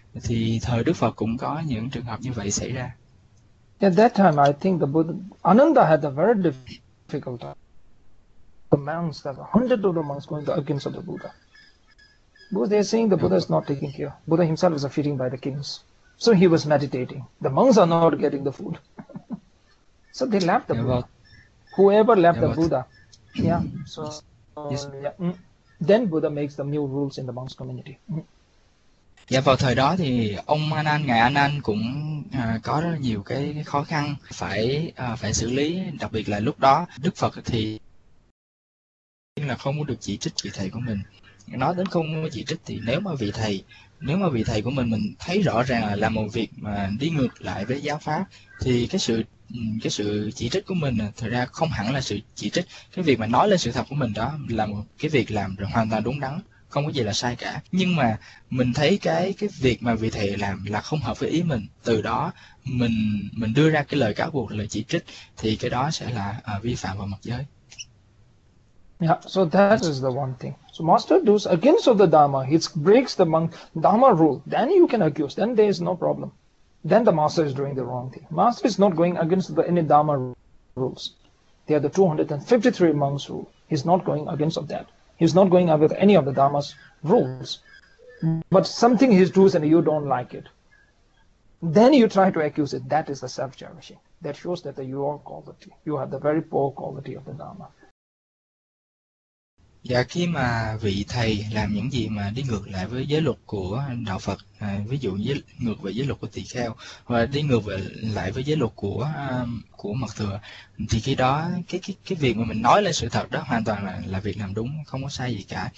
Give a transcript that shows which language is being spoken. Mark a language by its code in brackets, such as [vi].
[vi] Thì thời Đức Phật cũng có những trường hợp như vậy xảy ra. [en] At that time, I think the Buddha Ananda had a very difficult time. The monks, the hundreds of the monks going against the Buddha. Because they're saying the Buddha is not taking care. Buddha himself was feeding by the kings. So he was meditating. The monks are not getting the food. So they left the Buddha. Whoever left the Buddha. Yeah. So, Then Buddha makes the new rules in the monks community. [vi] Dạ vào thời đó thì ông Anan, ngài Anan cũng có rất nhiều cái khó khăn phải phải xử lý, đặc biệt là lúc đó Đức Phật thì là không muốn được chỉ trích vị thầy của mình. Nói đến không muốn chỉ trích thì nếu mà vị thầy của mình thấy rõ ràng là làm một việc mà đi ngược lại với giáo pháp, thì cái sự chỉ trích của mình thật ra không hẳn là sự chỉ trích. Cái việc mà nói lên sự thật của mình đó là một cái việc làm rồi hoàn toàn đúng đắn, không có gì là sai cả. Nhưng mà mình thấy cái việc mà vị thầy làm là không hợp với ý mình, từ đó mình đưa ra cái lời cáo buộc, lời chỉ trích, thì cái đó sẽ là vi phạm vào mật giới. [en] Yeah, so that is the one thing. So master does against of the Dharma, it breaks the monk Dharma rule. Then you can accuse. Then there is no problem. Then the master is doing the wrong thing. Master is not going against any Dharma rules. They are the 253 monks rule. He's not going against of that. He's not going against any of the Dharma's rules. But something he does and you don't like it. Then you try to accuse it. That is the self-cherishing. That shows that the your quality. You have the very poor quality of the Dharma. [vi] Dạ, khi mà vị thầy làm những gì mà đi ngược lại với giới luật của đạo Phật, ví dụ như ngược về giới luật của tỳ kheo và đi ngược về lại với giới luật của mật thừa, thì khi đó cái việc mà mình nói lên sự thật đó hoàn toàn là việc làm đúng, không có sai gì cả.